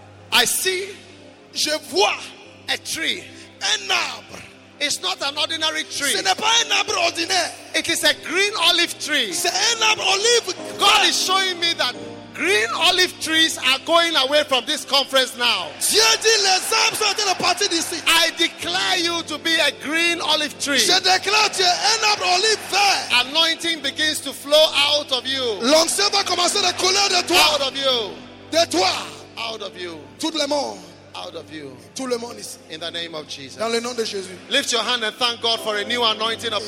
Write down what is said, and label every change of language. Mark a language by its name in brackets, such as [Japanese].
[English] I see, [French] je vois [English] a tree. [French] Un arbre. [English] It's not an ordinary tree. [French] Ce n'est pas un arbre ordinaire. [English] It is a green olive tree. [French] C'est un arbre olive. [English] God is showing me that green olive trees are going away from this conference now. [French] Dieu dit les arbres sont en train de partir d'ici. [English] I declare you to be a green olive tree. [French] Je déclare tu es un arbre olive vert. [English] Anointing begins to flow out of you. [French] L'onction va commencer à couler de toi. [English] Out of you. [French] De toi. [English] Out of you. [French] Tout le monde. [English] Out of you. [French] Tout le monde ici. [English] In the name of Jesus. [French] Dans le nom de Jésus. [English] Lift your hand and thank God for a new anointing upon